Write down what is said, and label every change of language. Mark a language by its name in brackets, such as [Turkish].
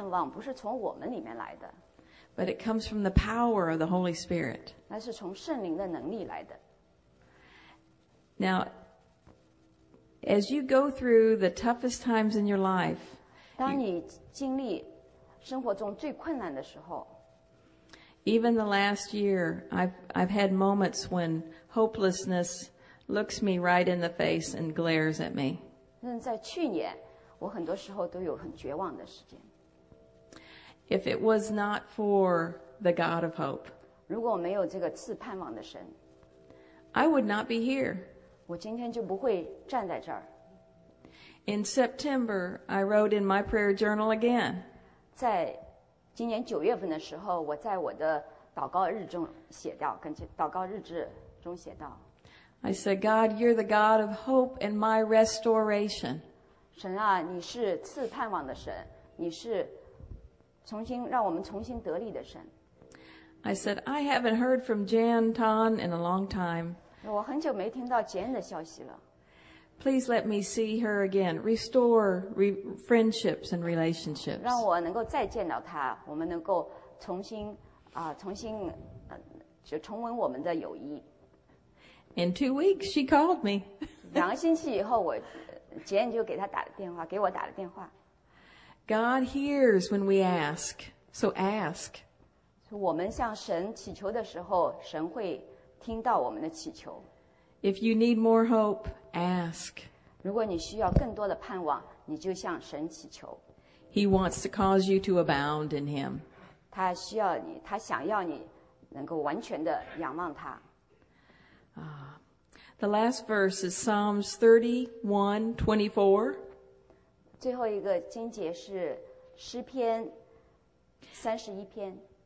[Chinese] 这样的大盼望不是从我们里面来的。 [English] But it comes from the power of the Holy Spirit. [Chinese] 那是从圣灵的能力来的。 [English] Now, as you go through the toughest times in your life, [Chinese] 当你经历生活中最困难的时候, [English] even the last year, I've had moments when hopelessness looks me right in the face and glares at me. [Chinese] 但在去年, [English] if it was not for the God of hope. [Chinese] 如果没有这个赐盼望的神, [English] I would not be here. [Chinese] 我今天就不会站在这儿。 [English] In September, I wrote in my prayer journal again. [Chinese] 在今年九月份的时候，我在我的祷告日中写到，跟祷告日志中写到。 [English] I said, God, you're the God of hope and my restoration. [Chinese] 神啊，你是赐盼望的神，你是重新让我们重新得力的神。 [English] I said, I haven't heard from Jan Tan in a long time. [Chinese] 我很久没听到杰恩的消息了。 [English] Please let me see her again. Restore friendships and relationships. [Chinese] 让我能够再见到她，我们能够重新啊、重新就重温我们的友谊。 [English] In 2 weeks, she called me. [Chinese] 两个星期以后，我杰恩就给她打了电话，给我打了电话。 [English] God hears when we ask, so ask. [Chinese] 我们向神祈求的时候，神会听到我们的祈求。 [English] If you need more hope, ask. [Chinese] 如果你需要更多的盼望，你就向神祈求。 [English] He wants to cause you to abound in Him. [Chinese] 他需要你，他想要你能够完全的仰望他。 [English] The last verse is Psalms 31:24. [Chinese] 最后一个经节是诗篇三十一篇。